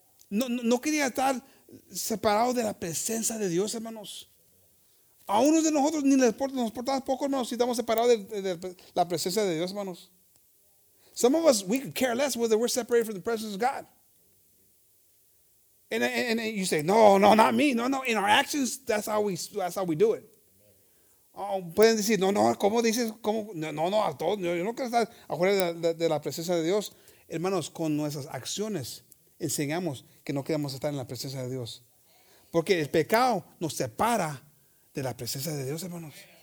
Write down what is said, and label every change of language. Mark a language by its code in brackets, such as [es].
[es] No quería estar separado de la presencia de Dios, hermanos. A unos de nosotros ni nos portamos poco, hermanos, si estamos separados de la presencia de Dios, hermanos. [en] Some of us, we could care less whether we're separated from the presence of God. And you say, no, not me. No, in our actions, that's how we do it. [es] Pueden decir, no, ¿cómo dices? No, a todos. Yo no quiero estar afuera de la presencia de Dios. Hermanos, con nuestras acciones, enseñamos que no queremos estar en la presencia de Dios. Porque el pecado nos separa de la presencia de Dios, hermanos.